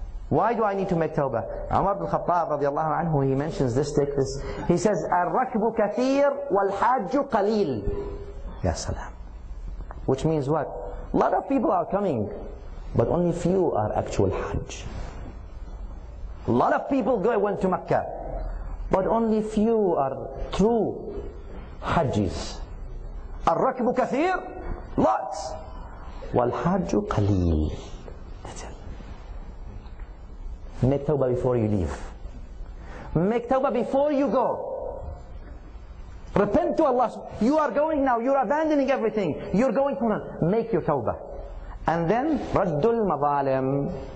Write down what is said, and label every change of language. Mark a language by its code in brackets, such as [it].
[en] Why do I need to make tawbah? Umar ibn al-Khattab radiallahu anhu, he mentions this, take this. [ar] He says, الركب كثير والحاج قليل. [en] Ya salam. Which means what? A lot of people are coming, but only few are actual hajj. A lot of people went to Mecca, but only few are true hajjis. [ar] الركب كثير, [en] lots. [ar] والحاج قليل. [en] Make tawbah before you leave. Make tawbah before you go. Repent to Allah. You are going now. You're abandoning everything. You're going to make your tawbah. And then, raddul mazalim.